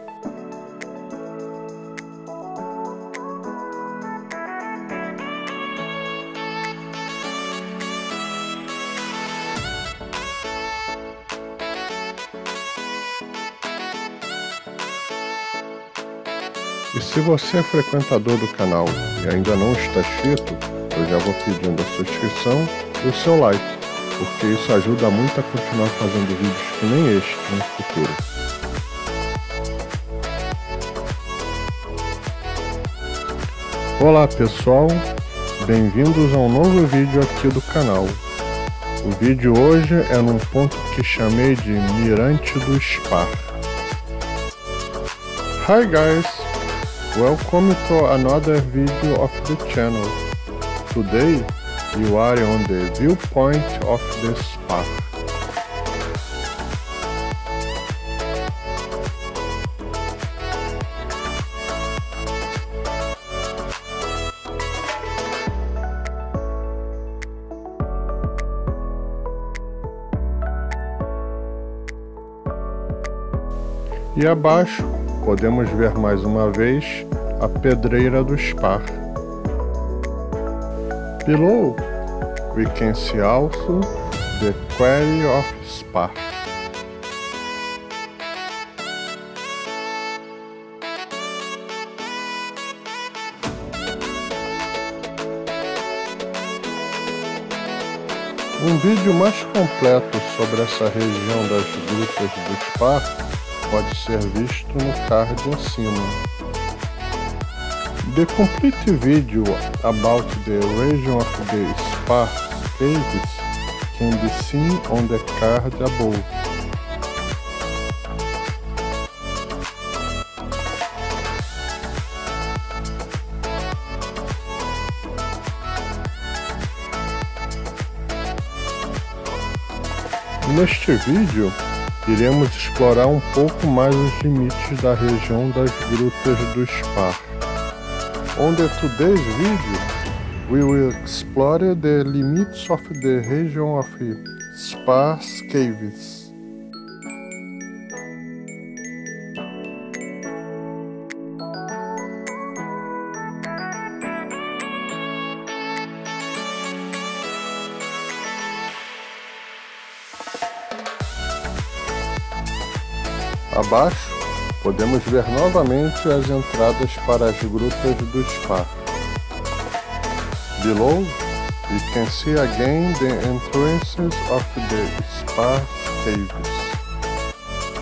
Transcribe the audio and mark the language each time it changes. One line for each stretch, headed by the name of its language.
Portuguese: E se você é frequentador do canal e ainda não está inscrito, eu já vou pedindo a sua inscrição e o seu like, porque isso ajuda muito a continuar fazendo vídeos que nem este no futuro. Olá pessoal, bem-vindos a um novo vídeo aqui do canal. O vídeo hoje é num ponto que chamei de Mirante do Spar.
English: Hi guys, welcome to another video of the channel. Today you are on the viewpoint of the spa.
Portuguese: E abaixo podemos ver mais uma vez a pedreira do spa.
English: Below, we can see also the Quarry of Spar.
Portuguese: Um vídeo mais completo sobre essa região das grutas do Spar pode ser visto no card acima.
English: The complete video about the region of the Spar Caves can be seen on the card above.
Portuguese: Neste vídeo, iremos explorar um pouco mais os limites da região das grutas do Spar.
English: On the today's video, we will explore the limits of the region of Spar's Caves.
Portuguese: Abaixo, podemos ver novamente as entradas para as grutas do spa.
English: Below, we can see again the entrances of the spa caves.